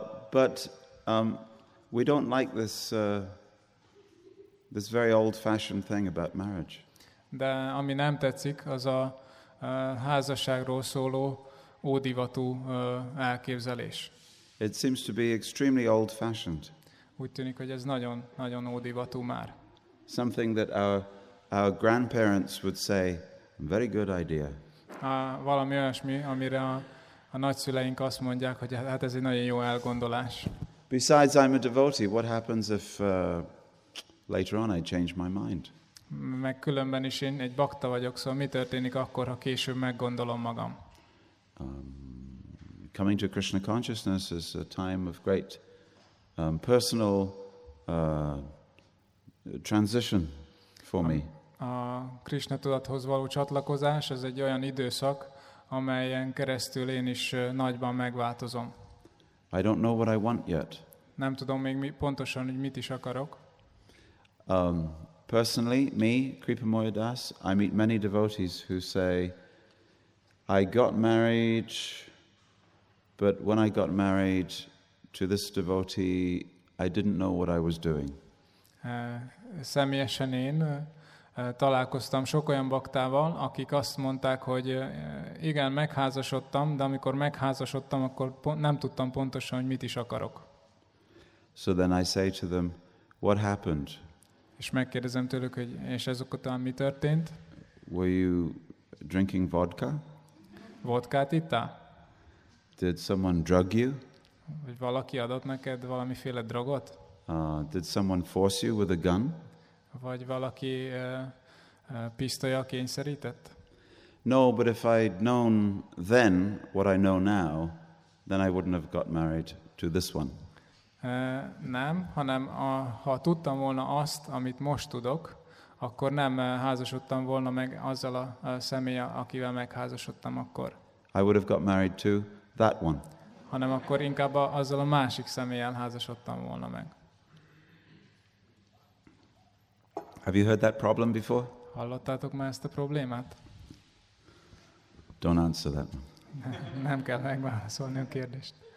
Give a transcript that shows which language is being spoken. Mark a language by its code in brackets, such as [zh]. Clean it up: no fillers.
[en] But we don't like this very old fashioned thing about marriage. [hu] De ami nem tetszik, az a házasságról szóló ódivatú elképzelés. [en] It seems to be extremely old-fashioned. [hu] Úgy tűnik, hogy ez nagyon, nagyon ódivatú már. [en] Something that our grandparents would say, very good idea. [hu] Valami olyasmi, amire a nagyszüleink azt mondják, hogy hát ez egy nagyon jó elgondolás. [en] Besides, I'm a devotee. What happens if later on I change my mind? [hu] Meg különben is én egy bakta vagyok, szóval mi történik akkor, ha később meggondolom magam? [en] Coming to Krishna consciousness is a time of great personal transition for me. [hu] A Krishna tudathoz való csatlakozás, ez egy olyan időszak, amelyen keresztül én is nagyban megváltozom. [en] I don't know what I want yet. [hu] Nem tudom még pontosan, hogy mit is akarok. [en] Personally, me, Kripa Moya Das, I meet many devotees who say, I got married, but when I got married to this devotee, I didn't know what I was doing. [hu] Személyesen én találkoztam sok olyan baktával, akik azt mondták, hogy igen, megházasodtam, de amikor megházasodtam, akkor nem tudtam pontosan, hogy mit is akarok. [en] So then I say to them, what happened? [hu] És megkérdezem tőlük, hogy és ez után mi történt? [en] Were you drinking vodka? [hu] Vodkát ittál? [en] Did someone drug you? [hu] Vagy valaki adott neked valamiféle drogot? [en] Did someone force you with a gun? [hu] Vagy valaki pisztolyjal kényszerített? [en] No, but if I'd known then what I know now, then I wouldn't have got married to this one. [hu] Nem, hanem ha tudtam volna azt, amit most tudok, akkor nem házasodtam volna meg azzal a személlyel, akivel megházasodtam akkor. [en] I would have got married to that one. [hu] Hanem akkor inkább azzal a másik személlyel házasodtam volna meg. [en] Have you heard that problem before? [hu] Hallottátok már ezt a problémát? [en] Don't answer that. [hu] Nem kell megválaszolni a kérdést.